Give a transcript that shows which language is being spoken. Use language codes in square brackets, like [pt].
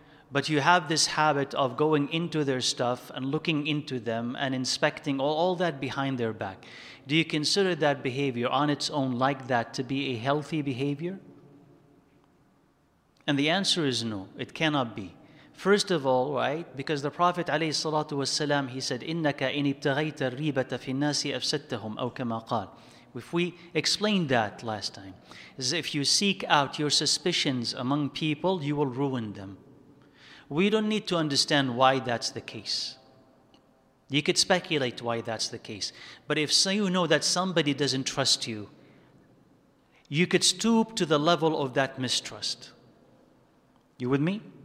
[en] But you have this habit of going into their stuff and looking into them and inspecting all that behind their back. Do you consider that behavior on its own like that to be a healthy behavior? And the answer is no, it cannot be. First of all, right, because the Prophet [ar] عليه الصلاة والسلام, [en] he said, [ar] إِنَّكَ إِنِ ابْتَغَيْتَ الرِّيبَةَ فِي النَّاسِ أَفْسَدْتَهُمْ أَوْ كَمَا قَالْ. [en] If we explained that last time, is if you seek out your suspicions among people, you will ruin them. We don't need to understand why that's the case. You could speculate why that's the case. But if so, you know that somebody doesn't trust you, you could stoop to the level of that mistrust. You with me?